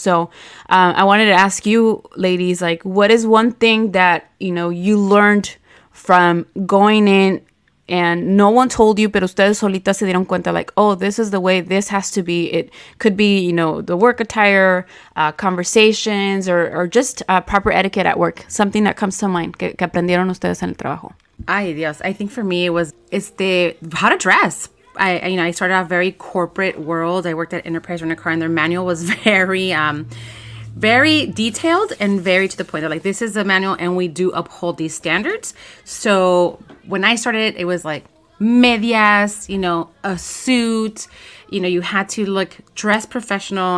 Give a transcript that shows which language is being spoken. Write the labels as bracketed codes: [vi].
[en] So I wanted to ask you ladies, like, what is one thing that, you know, you learned from going in and no one told you, [es] pero ustedes solitas se dieron cuenta, [en] like, oh, this is the way this has to be. It could be, you know, the work attire, conversations, or just proper etiquette at work. Something that comes to mind, [es] que aprendieron ustedes en el trabajo. Ay, Dios. [en] I think for me, it was how to dress. I started out very corporate world. I worked at Enterprise Rent-A-Car, and their manual was very, very detailed and very to the point. They're like, this is the manual, and we do uphold these standards. So when I started, it was like medias, you know, a suit, you know, you had to look dress professional.